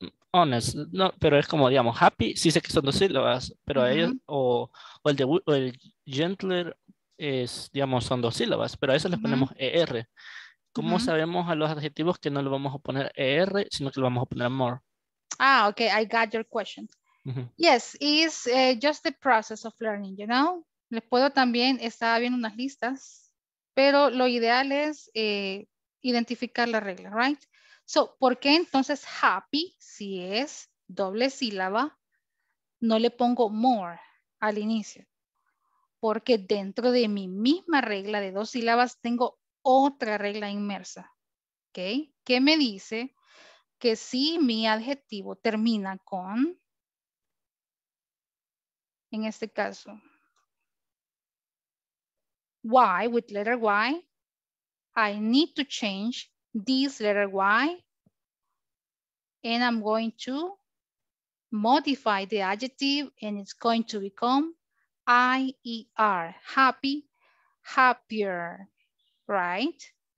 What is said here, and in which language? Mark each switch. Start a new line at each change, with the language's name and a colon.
Spanish: Honest, no, pero es como, digamos, happy, sí sé que son dos sílabas, pero ellos, o el gentler, es, digamos, son dos sílabas, pero a eso les ponemos ER. ¿Cómo sabemos a los adjetivos que no lo vamos a poner ER, sino que lo vamos a poner more?
English: Ah, okay, I got your question. Yes, it's just the process of learning, you know?
Spanish: Les puedo también, estaba viendo unas listas, pero lo ideal es identificar la regla, right? So, ¿por qué entonces happy, si es doble sílaba, no le pongo more al inicio? Porque dentro de mi misma regla de dos sílabas tengo otra regla inmersa, ¿ok? Que me dice que si mi adjetivo termina con, en este caso, Y,
English: with letter Y, I need to change this letter Y and I'm going to modify the adjective and it's going to become IER, happy, happier. Right?